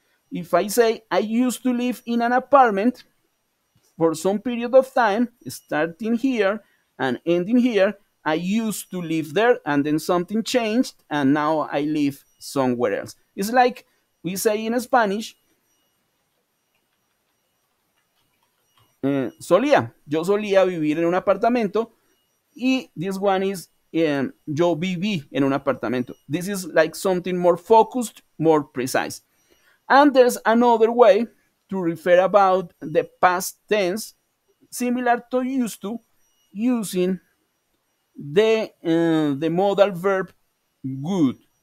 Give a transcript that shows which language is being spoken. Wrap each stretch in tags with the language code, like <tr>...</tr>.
<en>If I say I used to live in an apartment for some period of time, starting here and ending here, I used to live there and then something changed and now I live somewhere else. It's like we say in Spanish,</en> <es>Solía, yo solía vivir en un apartamento y</es> <en>this one is,</en> <es>yo viví en un apartamento.</es> <en>This is like something more focused, more precise. And there's another way to refer about the past tense, similar to used to, using the modal verb good.</en>